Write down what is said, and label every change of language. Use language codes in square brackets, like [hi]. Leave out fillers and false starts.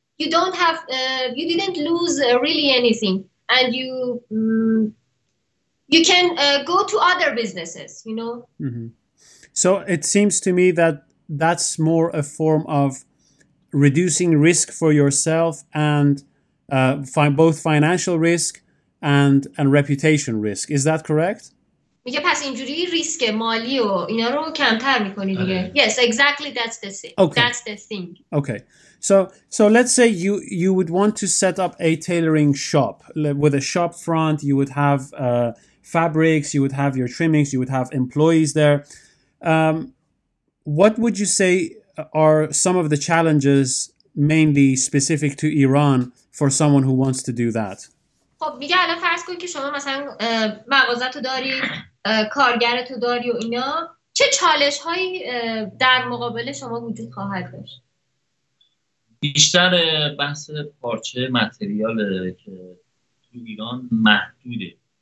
[en] You don't have, you didn't lose really anything, and you you can go to other businesses, you know. So it seems to me that that's more a form of reducing risk for yourself and both financial risk and reputation risk. Is that correct? [fa] میگه پس اینجوری ریسک مالی و اینا رو کمتر میکنی دیگه. آره. [en] Yes, exactly, that's the thing. Okay. That's the thing. Okay. So let's say you would want to set up a tailoring shop with a shop front. You would have fabrics, you would have your trimmings, you would have employees there. What would you say are some of the challenges mainly specific to Iran for someone who wants to do that? [fa] خب میگه الان فرض کن که شما مثلا مغازه تو داری، کارگر تو داری و اینا، چه چالش هایی در مقابل شما وجود خواهد داشت؟ بیشتر بحث پارچه متریال که تو ایران محدوده.